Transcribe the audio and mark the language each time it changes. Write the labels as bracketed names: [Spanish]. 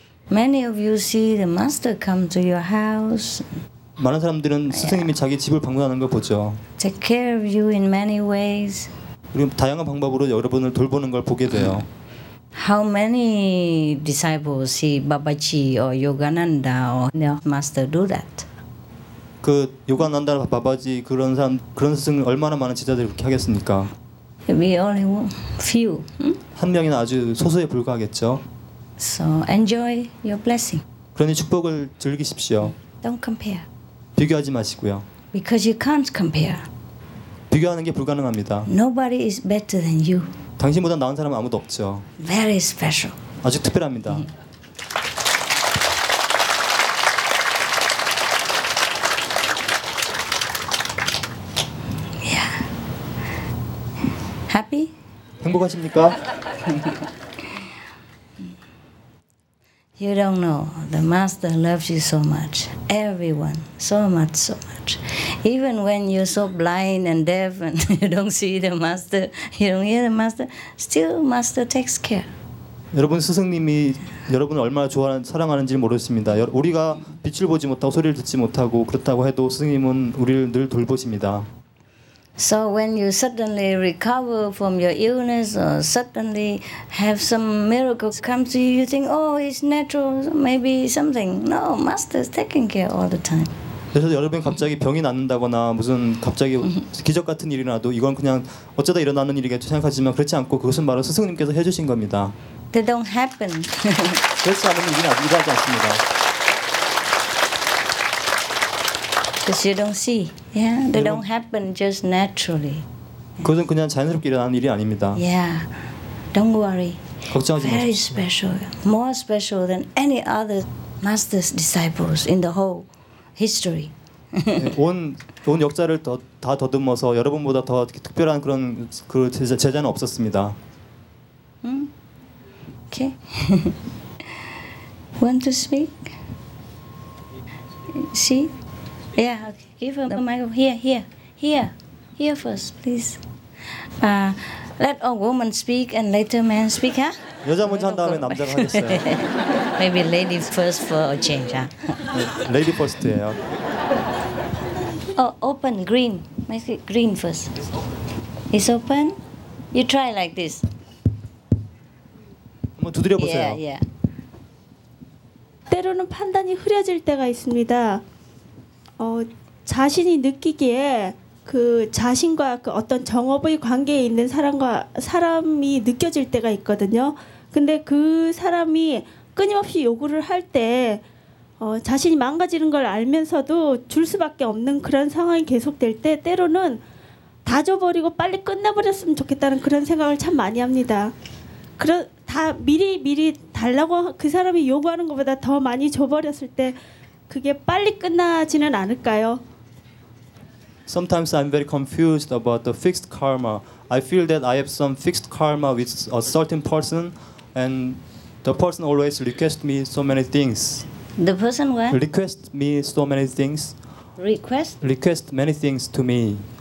[English] Many of you see the master come to your house. [Korean] 많은 사람들은 스승님이 자기 집을 방문하는 걸 보죠. [English] Take care of you in many ways. [Korean] 우리 다양한 방법으로 여러분을 돌보는 걸 보게 돼요. [English] How many disciples see Babaji or Yogananda or the master do that? [Korean] 그 요가난다, 바바지 그런 사람 그런 스승 얼마나 많은 제자들이 그렇게 하겠습니까? [English] We only few. [Korean] 한 명이나 아주 소수에 불과하겠죠. [English] So enjoy your blessing. [Korean] 그러니 축복을 즐기십시오. [English] Don't compare. [Korean] 비교하지 마시고요. [English] Because you can't compare. [Korean] 비교하는 게 불가능합니다. [English] Nobody is better than you. [Korean] 당신보다 나은 사람은 아무도 없죠. [English] Very special. [Korean] 아주 특별합니다. [English] Yeah. Happy? [Korean] 행복하십니까? [English] You don't know, the master loves you so much, everyone, so much, so much. Even when you're so blind and deaf and you don't see the master, you don't hear the master, still master takes care. [Korean] 여러분 스승님이 여러분을 얼마나 좋아하는 사랑하는지 모르겠습니다. 우리가 빛을 보지 못하고 소리를 듣지 못하고 그렇다고 해도 스승님은 우리를 늘 돌보십니다. [English] So when you suddenly recover from your illness or suddenly have some miracles come to you, you think, oh, it's natural, maybe something. No, master's taking care all the time. [Korean] 그래서 여러분 갑자기 병이 낫는다거나 무슨 갑자기 기적 같은 일이라도 이건 그냥 어쩌다 일어나는 일이겠죠 생각하지만 그렇지 않고 그것은 바로 스승님께서 해주신 겁니다. [English] They don't happen. [Korean] 그렇지 않으면 일이 일어나지 않습니다. [English] Because you don't see. Yeah, they don't happen just naturally. [Korean] 그것은 그냥 자연스럽게 일어나는 일이 아닙니다. [English] Yeah, don't worry. [Korean] 걱정하지 마세요. [English] Very special, more special than any other master's disciples in the whole history. [Korean] 온 역사를 다 더듬어서 여러분보다 더 특별한 그런 그 제자는 없었습니다. [English] Okay. Want to speak? See? Yeah, okay. Give him the microphone. Here first, please. Let all women speak and later men speak, huh? [Korean] 여자 먼저 한 다음에 남자가 하겠어요. [English] Maybe lady first for a change, huh? Lady first예요. Oh, open, green. Make it green first. It's open? You try like this. [Korean] 한번 두드려보세요. [English] Yeah. [Korean] 때로는 판단이 흐려질 때가 있습니다. 자신이 느끼기에 그 자신과 그 어떤 정업의 관계에 있는 사람이 느껴질 때가 있거든요. 근데 그 사람이 끊임없이 요구를 할 때 자신이 망가지는 걸 알면서도 줄 수밖에 없는 그런 상황이 계속될 때 때로는 다 줘버리고 빨리 끝내버렸으면 좋겠다는 그런 생각을 참 많이 합니다. 다 미리 달라고 그 사람이 요구하는 것보다 더 많이 줘버렸을 때 그게 빨리 끝나지는 않을까요? [English] Sometimes I'm very confused about the fixed karma. I feel that I have some fixed karma with a certain person and the person always requests me so many things. The person what? Requests me so many things. Request? Request many things to me.